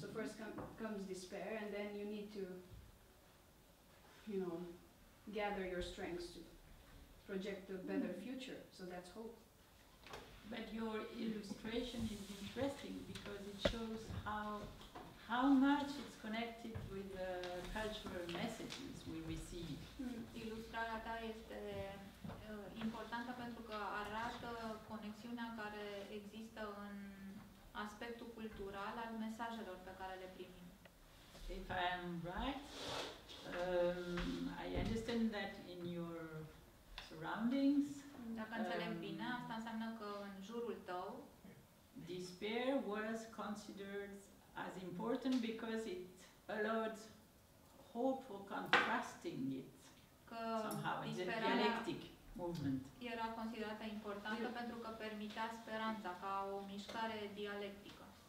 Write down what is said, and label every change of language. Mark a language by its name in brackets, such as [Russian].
[English] So first comes despair, and then you need to, you know, gather your strengths to project a better mm-hmm. future. So that's hope. But your illustration is interesting because it shows how much it's connected with the cultural messages we receive. [Romanian] Ilustrarea ta este importantă pentru că arată conexiunea care există în aspectul cultural al mesajelor pe care le primim. [English] If I am right, I understand that in your surroundings, [Romanian] dacă înțeleg bine, asta înseamnă că în jurul tău, [English] despair was considered as important because it allowed hope for contrasting it somehow, it's a dialectic movement. [Romanian] Era considerată importantă pentru că permitea speranța ca o mișcare dialectică.